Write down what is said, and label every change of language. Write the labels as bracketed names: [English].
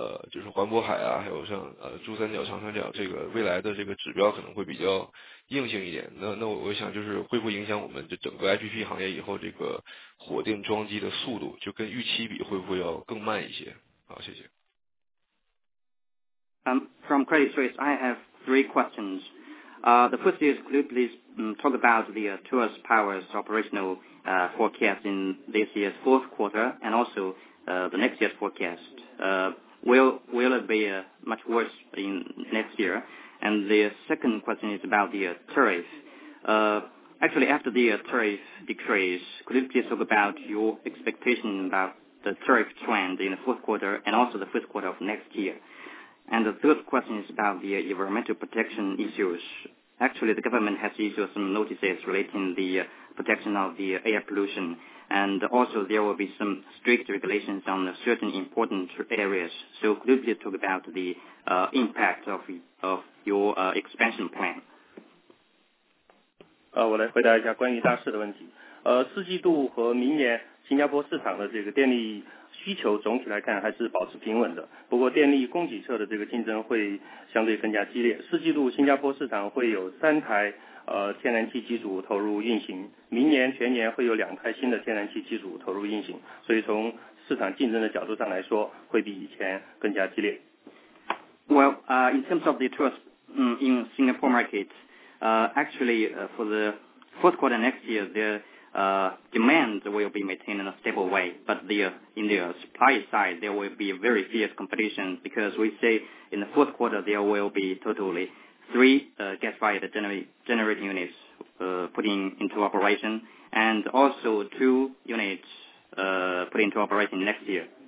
[Chinese] 就是环渤海啊，还有像珠三角、长三角这个未来的这个指标可能会比较硬性一点。那我想就是会不会影响我们这整个 IPP 行业以后这个火电装机的速度，就跟预期比会不会要更慢一些？好，谢谢。 [English] From Credit Suisse, I have 3 questions. The first is, could you please talk about the Taurus Power's operational forecast in this year's fourth quarter and also the next year's forecast? Will it be much worse in next year? And the second question is about the tariff. Actually, after the tariff decrease, could you please talk about your expectation about the tariff trend in the fourth quarter and also the first quarter of next year? And the third question is about the environmental protection issues. Actually, the government has issued some notices relating the protection of the air pollution. And also, there will be some strict regulations on certain important areas. So, could you please talk about the impact of your expansion plan? [Chinese] 我来回答一下关于大势的问题。四季度和明年新加坡市场的这个电力需求总体来看还是保持平稳的，不过电力供给侧的这个竞争会相对更加激烈。四季度新加坡市场会有三台天然气机组投入运行，明年全年会有两台新的天然气机组投入运行，所以从市场竞争的角度上来说会比以前更加激烈。 [English] Well, in terms of the trust in Singapore market, actually for the fourth quarter next year, the demand will be maintained in a stable way, but in the supply side, there will be a very fierce competition because we say in the fourth quarter, there will be totally three gas-fired generating units putting into operation and also two units put into operation next year.